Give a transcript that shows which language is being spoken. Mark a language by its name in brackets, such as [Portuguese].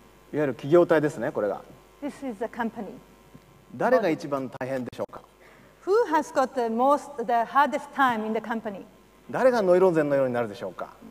[Japanese] いわゆる企業体ですね、これが。 [English] This is the company. [Japanese] 誰が一番大変でしょうか。 [English] Who has got the hardest time in the company? [Japanese] 誰がノイローゼのようになるでしょうか。